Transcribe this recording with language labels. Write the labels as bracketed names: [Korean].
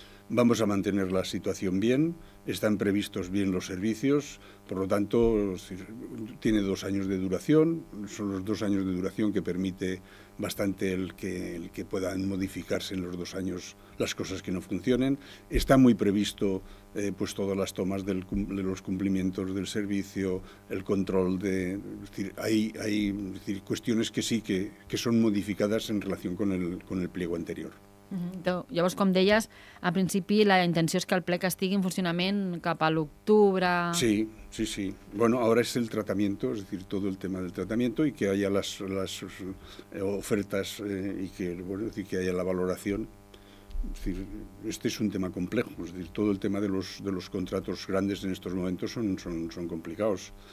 [Spanish] Vamos a mantener la situación bien, están previstos bien los servicios, por lo tanto, tiene 2 años de duración, son los 2 años de duración que permite bastante el que puedan modificarse en los 2 años las cosas que no funcionen. Está muy previsto pues todas las tomas de los cumplimientos del servicio, el control de... Es decir, hay cuestiones que sí que son modificadas en relación con el pliego anterior. [Catalan] Llavors, com deies, a principi la intenció és que el plec estigui en funcionament cap a l'octubre... Sí. [Spanish] Bueno, ahora es el tratamiento, es decir, todo el tema del tratamiento, y que haya las ofertas y que haya la valoración. Es decir, este es un tema complejo, es decir, todo el tema de los contratos grandes en estos momentos son complicados.